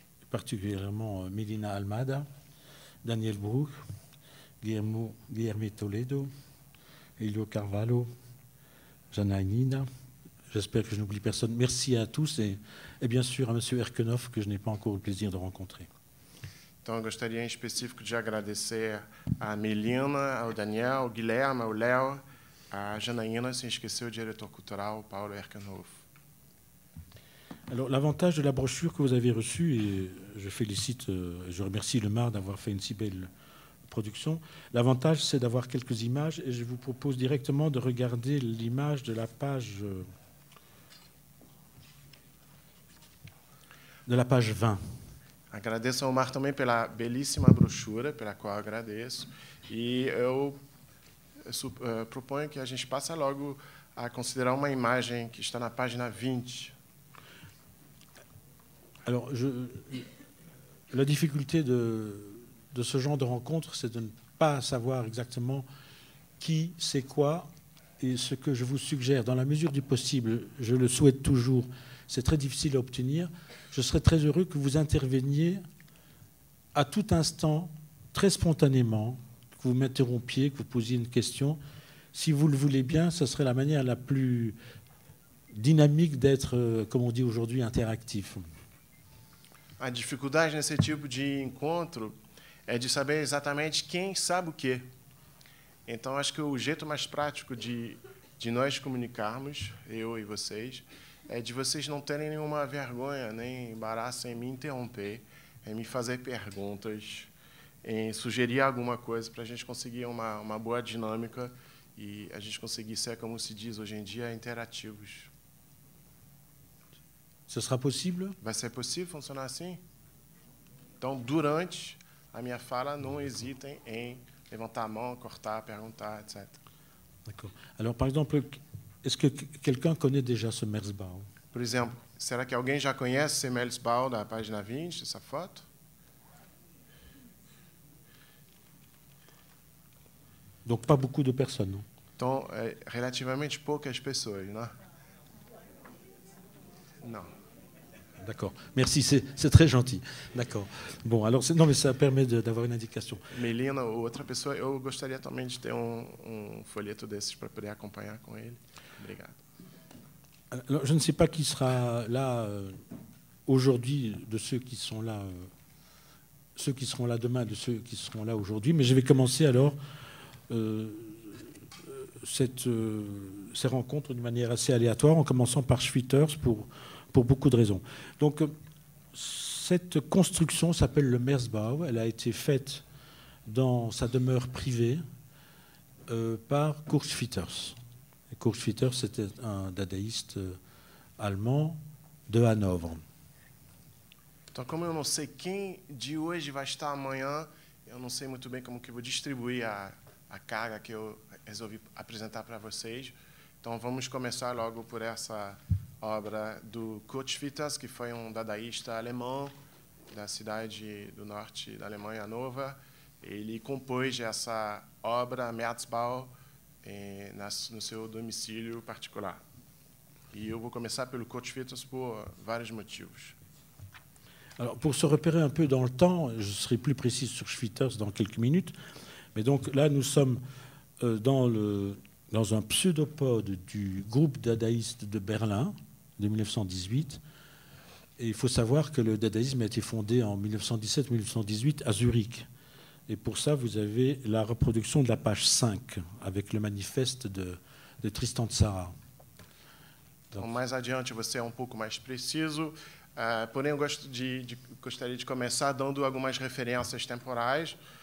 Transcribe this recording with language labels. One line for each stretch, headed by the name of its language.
French: Particulièrement Melina Almada, Daniel Brook, Guillermo Toledo, Elio Carvalho, Janaïnina. J'espère que je n'oublie personne. Merci à tous et bien sûr à M. Erkenov, que je n'ai pas encore le plaisir de rencontrer.
Portuguese: Então, gostaria em específico de agradecer à Melina, ao Daniel, ao Guilherme, ao Léo, à Janaína, sem esquecer o diretor cultural, Paulo Erkenhoff.
French: Alors, l'avantage de la brochure que vous avez reçue, et je félicite, je remercie le MAR d'avoir fait une si belle production, l'avantage c'est d'avoir quelques images, et je vous propose directement de regarder l'image de la page... de la page 20.
Portuguese: Agradeço ao Mar também pela belíssima brochura, pela qual agradeço. E eu proponho que a gente passe logo a considerar uma imagem que está na página 20.
French: Alors, la difficulté de ce genre de rencontre, c'est de ne pas savoir exactement qui c'est quoi. Et ce que je vous suggère, dans la mesure du possible, je le souhaite toujours, c'est très difficile à obtenir. Je serais très heureux que vous interveniez à tout instant, très spontanément, que vous m'interrompiez, que vous posiez une question. Si vous le voulez bien, ce serait la manière la plus dynamique d'être, comme on dit aujourd'hui, interactif.
Portuguese: A dificuldade nesse tipo de encontro é de saber exatamente quem sabe o quê. Então, acho que o jeito mais prático de nós comunicarmos, eu e vocês, é de vocês não terem nenhuma vergonha, nem embaraço em me interromper, em me fazer perguntas, em sugerir alguma coisa para a gente conseguir uma boa dinâmica e a gente conseguir ser, como se diz hoje em dia, interativos.
French: Ce sera possible?
Portuguese: Vai ser possível funcionar assim? Então, durante a minha fala, não hesitem em levantar a mão, cortar, perguntar, etc.
French: D'accord. Alors, par exemple... Est-ce que quelqu'un connaît déjà ce Merzbau?
Portuguese: Por exemplo, será que alguém já conhece esse Merzbau da página 20, essa foto?
French: Donc pas beaucoup de personnes.
Portuguese: Então, é relativamente poucas pessoas, não? Não.
French: D'accord. Merci, c'est très gentil. D'accord. Bon, alors non mais ça permet d'avoir une indication.
Portuguese: Melina, ou outra pessoa, eu gostaria também de ter um folheto desses para poder acompanhar com ele.
French: Alors, je ne sais pas qui sera là aujourd'hui de ceux qui seront là demain, de ceux qui seront là aujourd'hui, mais je vais commencer alors ces rencontres d'une manière assez aléatoire, en commençant par Schwitters pour beaucoup de raisons. Donc cette construction s'appelle le Merzbau, elle a été faite dans sa demeure privée par Kurt Schwitters. Kurt Schwitters, c'était un dadaïste allemand de Hanovre.
Portuguese: Então, como eu não sei quem de hoje vai estar amanhã, eu não sei muito bem como que vou distribuir a carga que eu resolvi apresentar para vocês. Então, vamos começar logo por essa obra do Kurt Schwitters, que foi um dadaísta alemão da cidade do norte da Alemanha, Hanovre. Ele compôs essa obra, Merzbau, no seu domicílio particular. E eu vou começar pelo Kurt Schwitters por vários motivos.
French: Alors, pour se repérer un peu dans le temps, je serai plus précis sur Schwitters dans quelques minutes, mais donc là nous sommes dans un pseudopode du groupe dadaïste de Berlin de 1918. Et il faut savoir que le dadaïsme a été fondé en 1917-1918 à Zurich. Et pour ça, vous avez la reproduction de la page 5 avec le manifeste de Tristan Tzara.
Portuguese: Donc, mais adiante, você é um pouco mais preciso. Porém, eu gostaria de começar dando algumas referências temporais.